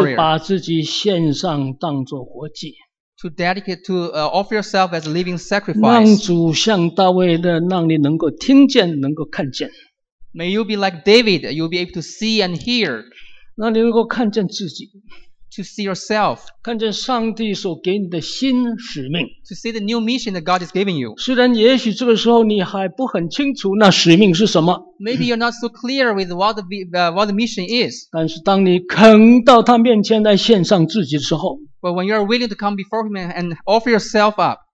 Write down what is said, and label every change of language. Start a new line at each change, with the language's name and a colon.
Chinese: 再一次把自己献上当作活祭。
English: To dedicate to offer yourself as a living sacrifice.
Chinese: 让主像大卫的，让你能够听见，能够看见。
English: May you be like David, you'll be able to see and hear.
Chinese: 让你能够看见自己。
English: To see yourself,
Chinese: 看见上帝所给你的新使命。
English: To see the new mission that God is giving you.
Chinese: 虽然也许这个时候你还不很清楚那使命是什么。
English: Maybe you're not so clear with what the mission is.
Chinese: 但是当你肯到他面前来献上自己的时候
English: ，But when you are willing to come before Him and offer yourself up,